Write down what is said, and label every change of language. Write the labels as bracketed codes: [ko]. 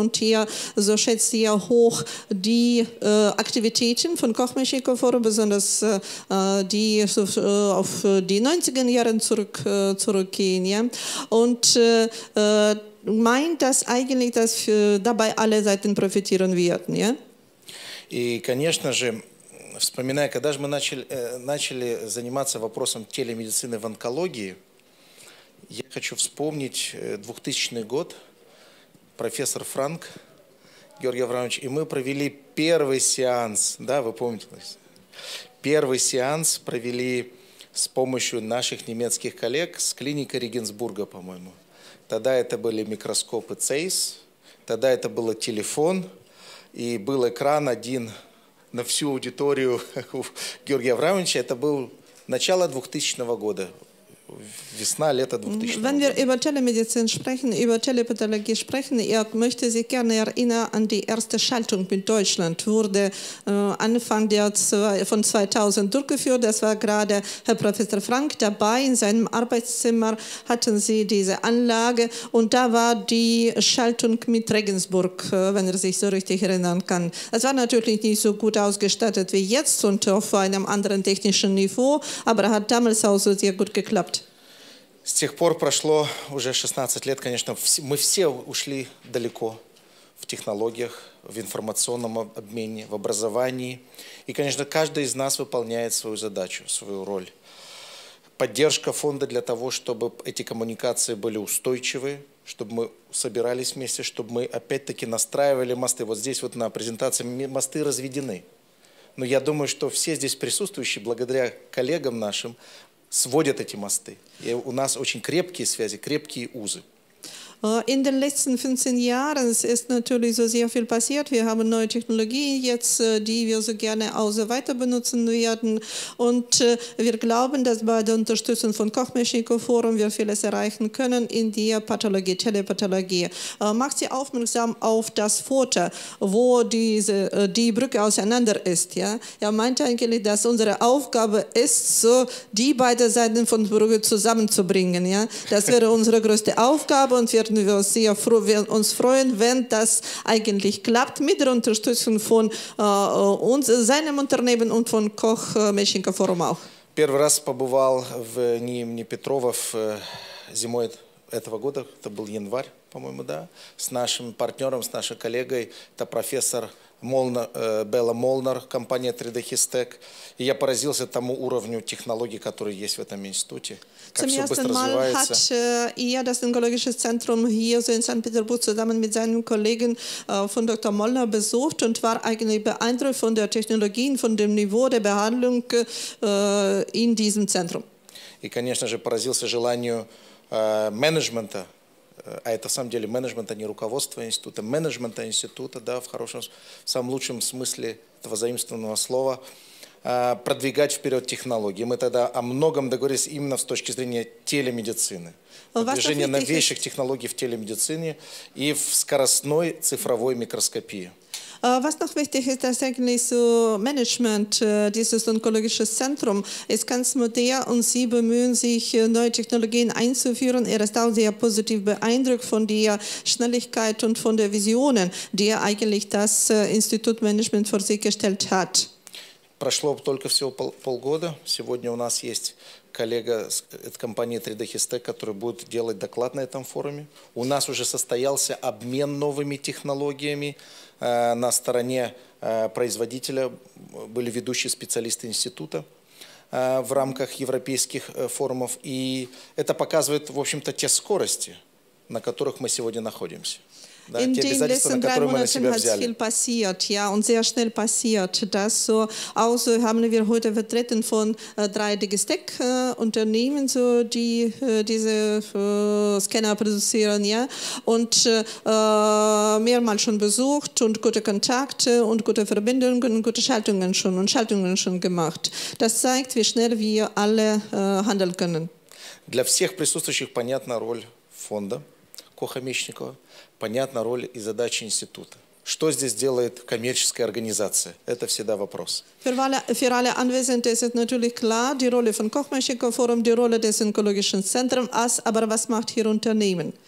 [de] Und hier, so schätzt ihr hoch die Aktivitäten von Koch-Meschnikow Forum, besonders die auf die 90er Jahre zurückgehen. Ja? Und meint das eigentlich, dass dabei alle Seiten profitieren werden, ja? [ru] И, конечно же, вспоминая, когда же мы начали заниматься вопросом телемедицины в онкологии, я хочу вспомнить 2000 год, профессор Франк Георгий Авраамович, и мы провели первый сеанс, да, вы помните? Первый сеанс провели с помощью наших немецких коллег с клиникой Регенсбурга, по-моему. Тогда это были микроскопы Zeiss, тогда это был телефон, и был экран один на всю аудиторию у Георгия Авраамовича. Это было начало 2000 года. Весна, лето 2000. [de] Wenn wir über Telemedizin sprechen, über Telepathologie sprechen, ich möchte Sie gerne erinnern an die erste Schaltung mit Deutschland. Wurde Anfang von 2000 durchgeführt. Das war gerade Herr Professor Frank dabei. In seinem Arbeitszimmer hatten Sie diese Anlage. Und da war die Schaltung mit Regensburg, wenn er sich so richtig erinnern kann. Es war natürlich nicht so gut ausgestattet wie jetzt und auf einem anderen technischen Niveau, aber hat damals auch so sehr gut geklappt. [ru] С тех пор прошло уже 16 лет, конечно, мы все ушли далеко в технологиях, в информационном обмене, в образовании. И, конечно, каждый из нас выполняет свою задачу, свою роль. Поддержка фонда для того, чтобы эти коммуникации были устойчивы, чтобы мы собирались вместе, чтобы мы опять-таки настраивали мосты. Вот здесь вот на презентации мосты разведены. Но я думаю, что все здесь присутствующие, благодаря коллегам нашим, сводят эти мосты. И у нас очень крепкие связи, крепкие узы. [de] In den letzten 15 Jahren ist natürlich so sehr viel passiert. Wir haben neue Technologien jetzt, die wir so gerne auch so weiter benutzen werden. Und wir glauben, dass bei der Unterstützung von Koch-Meschnikow Forum wir vieles erreichen können in der Pathologie, Telepathologie. Macht Sie aufmerksam auf das Foto, wo die Brücke auseinander ist. Ja? Er meint eigentlich, dass unsere Aufgabe ist, so die beiden Seiten von Brücke zusammenzubringen. Ja? Das wäre unsere größte Aufgabe und werden wir uns sehr froh, wir uns freuen, wenn das eigentlich klappt mit der Unterstützung von uns, seinem Unternehmen und von Koch-Meschnikow Forum auch. [ru] Первый раз побывал в имени Петровов зимой этого года, это был январь, по-моему, да, с нашим партнером, с нашей коллегой, это профессор Белла Молнер, компания 3D Histec. И я поразился тому уровню технологий, которые есть в этом институте. [de] Zum ersten Mal hat er das Onkologische Zentrum hier so in St. Petersburg zusammen mit seinem Kollegen von Dr. Molnar besucht und war eigentlich beeindruckt von der Technologie, von dem Niveau der Behandlung in diesem Zentrum. [ru] И, конечно же, поразился желанию менеджмента, а это, в самом деле, менеджмент, а не руководство института, менеджмента института, да, в хорошем, в самом лучшем смысле этого заимствованного слова, продвигать вперед технологии. Мы тогда о многом договорились именно с точки зрения телемедицины. Продвижение новейших технологий в телемедицине и в скоростной цифровой микроскопии. [de] Was noch wichtig ist, dass eigentlich so Management dieses onkologische Zentrum ist ganz modern und sie bemühen sich, neue Technologien einzuführen. Er ist auch sehr positiv beeindruckt von der Schnelligkeit und von der Visionen, die er eigentlich das Institutmanagement vor sich gestellt hat. [ru] Прошло только всего полгода. Сегодня у нас есть коллега из компании 3D Histec, который будет делать доклад на этом форуме. У нас уже состоялся обмен новыми технологиями. На стороне производителя были ведущие специалисты института в рамках европейских форумов. И это показывает, в общем-то, те скорости, на которых мы сегодня находимся. [de] in den letzten drei Monaten hat viel passiert, ja, und sehr schnell passiert. Das so, also haben wir heute vertreten von drei Digistech-Unternehmen, so, die diese Scanner produzieren, ja, und mehrmals schon besucht und gute Kontakte und gute Verbindungen, gute Schaltungen schon und Schaltungen schon gemacht. Das zeigt, wie schnell wir alle handeln können. [ru] Для всех присутствующих понятна роль фонда Коха-Мечникова, понятна роль и задача института. Что здесь делает коммерческая организация? Это всегда вопрос. [de] Für alle Anwesenden ist es natürlich klar, die Rolle von Koch-Mechnikov Forum, die Rolle des Onkologischen Zentrums, aber was macht hier Unternehmen,